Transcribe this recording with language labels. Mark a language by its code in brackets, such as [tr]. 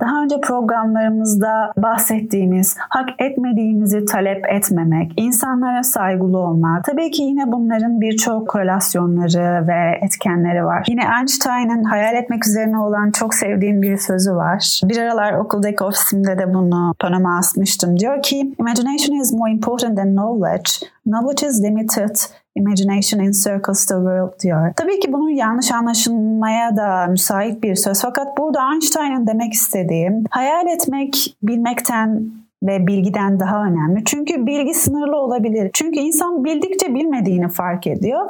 [tr] Daha önce programlarımızda bahsettiğimiz hak etmediğimizi talep etmemek, insanlara saygılı olmak. Tabii ki yine bunların birçok korelasyonları ve etkenleri var. Yine Einstein'ın hayal etmek üzerine olan çok sevdiğim bir sözü var. Bir aralar okuldaki ofisimde de bunu tonoma asmıştım. Diyor ki, [en] "Imagination is more important than knowledge. Knowledge is limited. Imagination encircles the world," diyor. [tr] Tabii ki bunun yanlış anlaşılmaya da müsait bir söz. Fakat burada Einstein'ın demek istediğim, hayal etmek bilmekten ve bilgiden daha önemli. Çünkü bilgi sınırlı olabilir. Çünkü insan bildikçe bilmediğini fark ediyor.